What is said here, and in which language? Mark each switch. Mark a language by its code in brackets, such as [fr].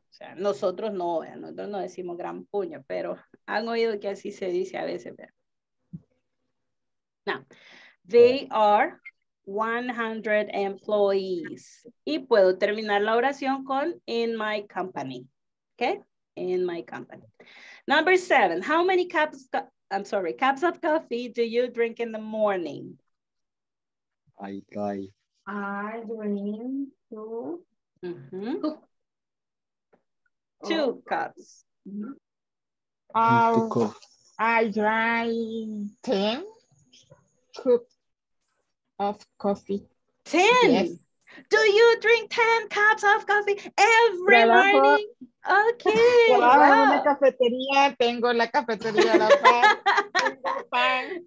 [es] O sea, nosotros no decimos gran puño, pero han oído que así se dice a veces, ¿verdad? [en] Now, they are 100 employees. [es] Y puedo terminar la oración con [en] in my company. Okay? In my company. Number seven, how many cups of coffee do you drink in the morning? I drink two. Mm-hmm. Two cups. I drink 10. Cup of coffee. 10? Yes. Do you drink 10 cups of coffee every morning? Okay. Wow. [es] En una cafetería, tengo la cafetería, la pan.